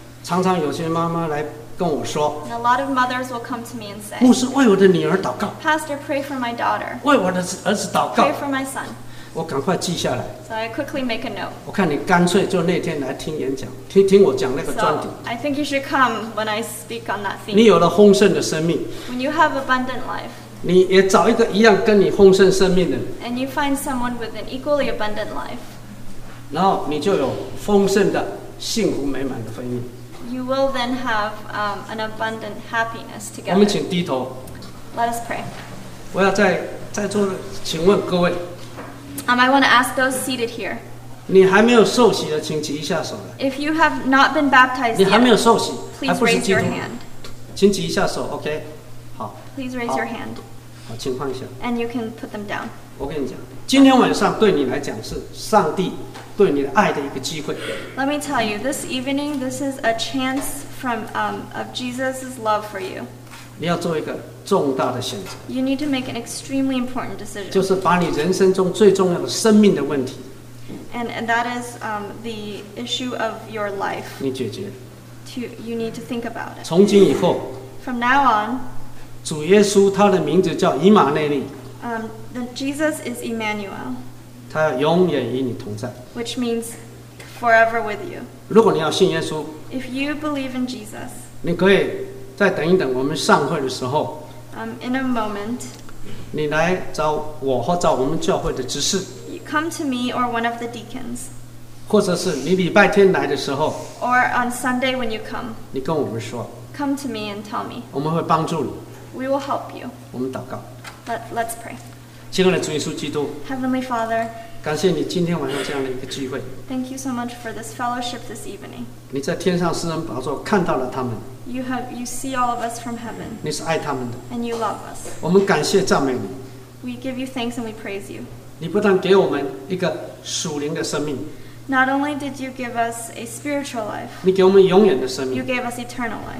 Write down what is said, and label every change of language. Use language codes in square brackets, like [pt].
[zh] 常常有些妈妈来跟我说。 [en] And a lot of mothers will come to me and say. [zh] 牧师为我的女儿祷告。 [en] Pastor, pray for my daughter. [zh] 为我的儿子祷告。 [en] Pray for my son. [zh] 我赶快记下来。 [en] So I quickly make a note. [zh] 我看你干脆就那天来听演讲，听我讲那个专题。 [en] So I think you should come when I speak on that theme. [zh] 你有了丰盛的生命。 [en] When you have abundant life. [zh] 你也找一个一样跟你丰盛生命的。 [en] And you find someone with an equally abundant life. [zh] 然后你就有丰盛的幸福美满的婚姻。 [en] you will then have an abundant happiness together. [zh] 我们请低头。 [en] Let us pray. [zh] 我要在座的，请问各位。 [en] I want to ask those seated here. [zh] 你还没有受洗的，请举一下手来。 [en] If you have not been baptized yet, [zh] 你还没有受洗，还不是基督徒。 [en] Please raise your hand. [zh] 请举一下手 ，OK？好。 [en] Please raise your hand. [zh] 好，请放下。 [en] And you can put them down. [zh] 我跟你讲，今天晚上对你来讲是上帝对你的爱的一个机会。 [en] Let me tell you, this evening, this is a chance from of Jesus' love for you. [zh] 你要做一个重大的选择。 [en] You need to make an extremely important decision. [zh] 就是把你人生中最重要的生命的问题。 [en] And that is the issue of your life. [zh] 你解决。 [en] You need to think about it. [zh] 从今以后。 [en] From now on. [zh] 主耶稣他的名字叫以马内利。 [en] Jesus is Emmanuel. [zh] 他要永远与你同在。 [en] Which means forever with you. [zh] 如果你要信耶稣。 [en] If you believe in Jesus. [zh] 你可以再等一等，我们上会的时候。 [en] In a moment. [zh] 你来找我或找我们教会的执事。 [en] You come to me or one of the deacons. [zh] 或者是你礼拜天来的时候。 [en] Or on Sunday when you come. [zh] 你跟我们说。 [en] Come to me and tell me. [zh] 我们会帮助你。 [en] We will help you. [zh] 我们祷告。 [en] Let's pray. [zh] 亲爱的主耶稣基督。 [en] Heavenly Father. [zh] 感谢你今天晚上这样的一个机会。 [en] Thank you so much for this fellowship this evening. [zh] 你在天上诗人宝座看到了他们。 [en] You see all of us from heaven. [zh] 你是爱他们的。 [en] And you love us. [zh] 我们感谢赞美你。 [en] We give you thanks and we praise you. [zh] 你不但给我们一个属灵的生命。 [en] Not only did you give us a spiritual life, [zh] 你给我们永远的生命。 [en] You gave us eternal life.